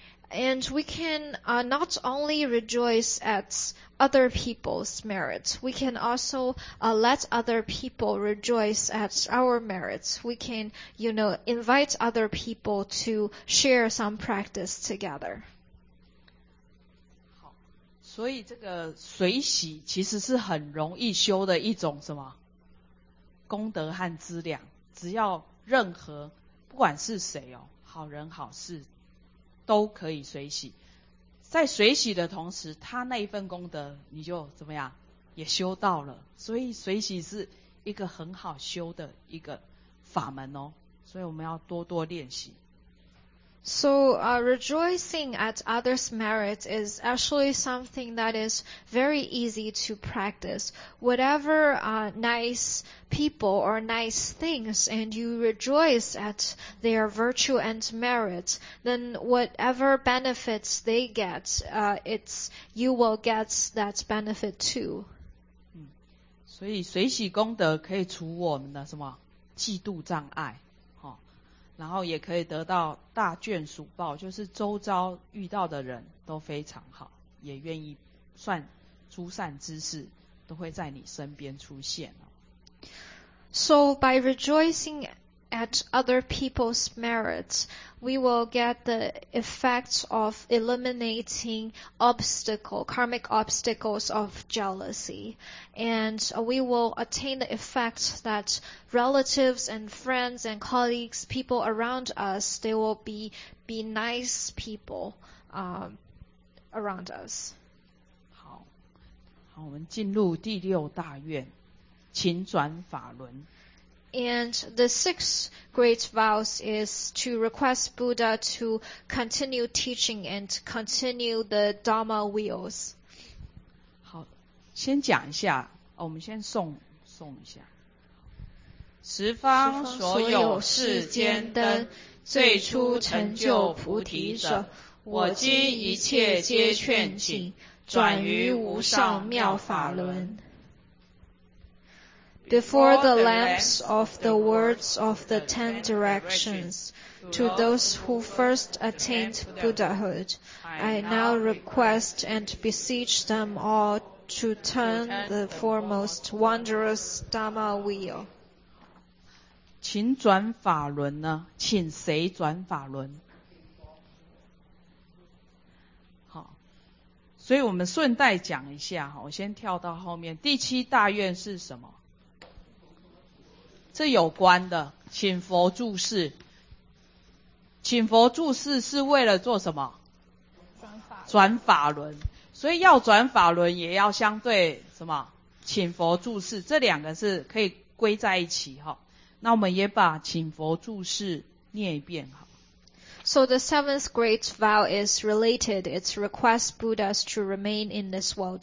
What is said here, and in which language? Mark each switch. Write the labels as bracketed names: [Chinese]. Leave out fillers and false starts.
[English] And we can not only rejoice at other people's merits, we can also let other people rejoice at our merits. We can, you know, invite other people to share some practice together. [Chinese] 好，所以这个随喜其实是很容易修的一种什么功德和资粮，只要任何不管是谁哦，好人好事都可以随喜，在随喜的同时，他那一份功德你就怎么样也修到了，所以随喜是一个很好修的一个法门哦，所以我们要多多练习。 [English] So, rejoicing at others' merit is actually something that is very easy to practice. Whatever, nice people or nice things and you rejoice at their virtue and merit, then whatever benefits they get, you will get that benefit too. [Chinese] 所以随喜功德可以除我们的什么嫉妒障碍。然后也可以得到大眷属报，就是周遭遇到的人都非常好，也愿意算诸善知识都会在你身边出现。 [English] So by rejoicing at other people's merits, we will get the effects of eliminating obstacle, karmic obstacles of jealousy. And we will attain the effect that relatives and friends and colleagues, people around us, they will be nice people, around us. [Chinese] 好，好，我们进入第六大愿，勤转法轮。 [English] And the sixth great vows is to request Buddha to continue teaching and continue the Dharma wheels. [Chinese] 好，先讲一下，我们先诵一下。十方所有世间灯，最初成就菩提者，我今一切皆劝请，转于无上妙法轮。 Before the lamps of the words of the ten directions, to those who first attained Buddhahood, I now request and beseech them all to turn the foremost wondrous Dharma wheel. 请转法轮呢？请谁转法轮？好，所以我们顺带讲一下，我先跳到后面。第七大愿是什么？这有关的，请佛住世。请佛住世是为了做什么？转法轮。所以要转法轮也要相对什么？请佛住世，这两个是可以归在一起齁。那我们也把请佛住世念一遍齁。 [English] So the seventh great vow is related. It's request Buddhas to remain in this world.